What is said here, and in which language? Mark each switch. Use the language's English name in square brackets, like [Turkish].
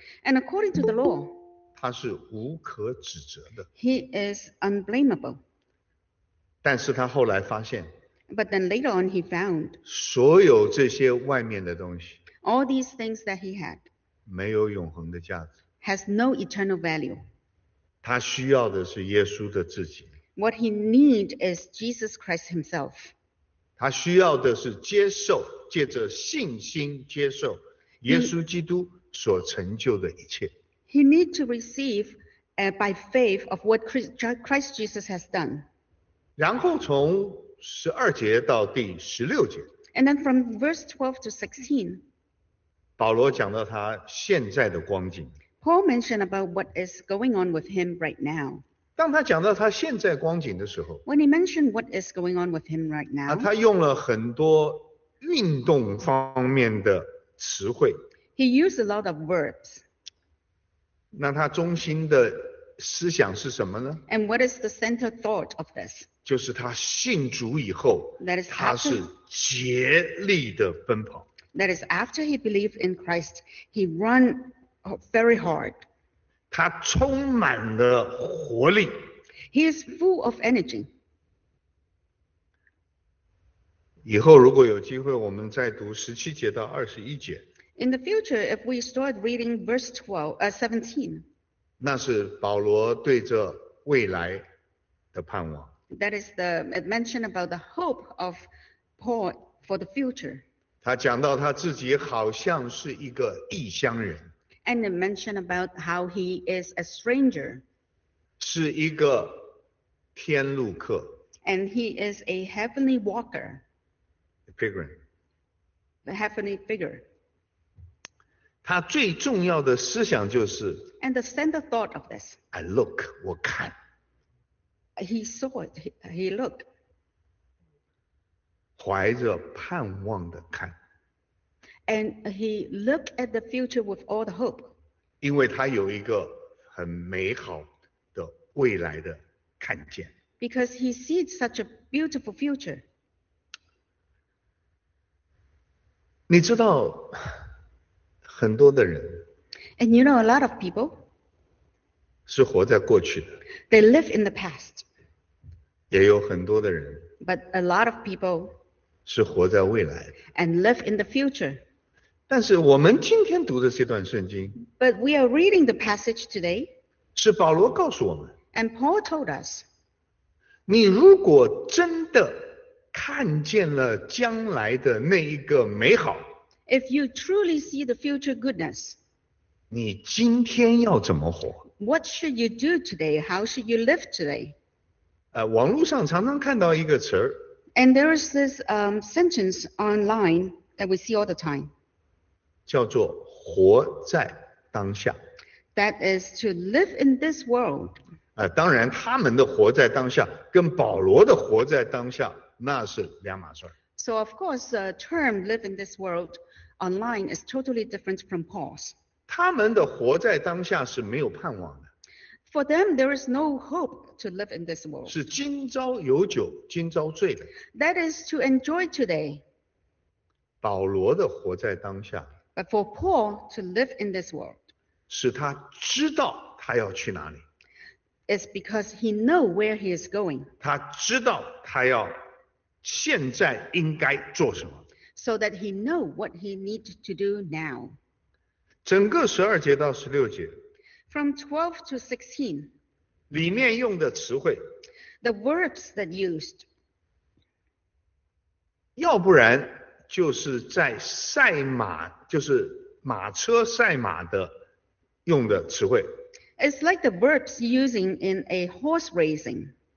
[English] And according to the law, [Chinese] 他是无可指责的。 [English] He is unblameable. [Chinese] 但是他后来发现。 [English] But then later on he found, [Chinese] 所有这些外面的东西。 [English] All these things that he had, [Chinese] 没有永恒的价值。 [English] Has no eternal value. [Chinese] 他需要的是耶稣的自己。 [English] What he needs is Jesus Christ himself. [Chinese] 他需要的是接受，借着信心接受耶稣基督所成就的一切。 [English] He needs to receive by faith of what Christ Jesus has done. [Chinese] 然后从12节到第16节。 [English] And then from verse 12 to 16. [Chinese] 保罗讲到他现在的光景。 [English] Paul mentioned about what is going on with him right now. [Chinese] 当他讲到他现在光景的时候， [English] When he mentioned what is going on with him right now, [Chinese] 他用了很多运动方面的词汇。 [English] He used a lot of verbs. [Chinese] 那他中心的思想是什么呢？ [English] And what is the center thought of this? [Chinese] 就是他信主以后， [English] That is after, [Chinese] 他是竭力的奔跑。 [English] That is after he believed in Christ, he ran very hard. [Chinese] 他充满了活力。 [English] He is full of energy. [Chinese] 以后如果有机会，我们再读十七节到二十一节。 [English] In the future, if we start reading verse 17, [Chinese] 那是保罗对着未来的盼望。 [English] That is the mention about the hope of Paul for the future. [Chinese] 他讲到他自己好像是一个异乡人。 [English] And it mentioned about how he is a stranger. [Chinese] 是一个天路客。 [English] And he is a heavenly walker. A pilgrim. A heavenly figure. [Chinese] 他最重要的思想就是。 [English] And the center thought of this. I look, [Chinese] 我看。 [English] He saw it, he looked. [Chinese] 怀着盼望的看。 [English] And he looked at the future with all the hope. [Chinese] 因为他有一个很美好的未来的看见。 [English] Because he sees such a beautiful future. [Chinese] 你知道很多的人。 [English] And you know a lot of people. [Chinese] 是活在过去的。 [English] They live in the past. [Chinese] 也有很多的人。 [English] But a lot of people. [Chinese] 是活在未来的。 [English] And live in the future. [Chinese] 但是我们今天读的这段圣经， [English] But we are reading the passage today, [Chinese] 是保罗告诉我们， [English] And Paul told us, [Chinese] 你如果真的看见了将来的那一个美好， [English] If you truly see the future goodness, [Chinese] 你今天要怎么活？ [English] What should you do today? How should you live today? [Chinese] 网络上常常看到一个词， [English] And there is this sentence online that we see all the time. [Chinese] 叫做活在当下。 [English] That is to live in this world. [Chinese] 当然他们的活在当下跟保罗的活在当下那是两码事。 [English] So of course, the term live in this world online is totally different from Paul's. [Chinese] 他们的活在当下是没有盼望的。 [English] For them, there is no hope to live in this world. [Chinese] 是今朝有酒今朝醉的。 [English] That is to enjoy today. [Chinese] 保罗的活在当下。 [English] But for Paul to live in this world, [Chinese] 是他知道他要去哪里。 [English] is because he knows where he is going. [Chinese] 他知道他要现在应该做什么。 [English] So that he knows what he needs to do now. [Chinese] 整个十二节到十六节。 [English] From 12 to 16. [Chinese] 里面用的词汇。 [English] The words that used. [Chinese] 要不然就是在赛马，就是马车赛马的用的词汇。 [English] It's like the verbs using in a horse racing.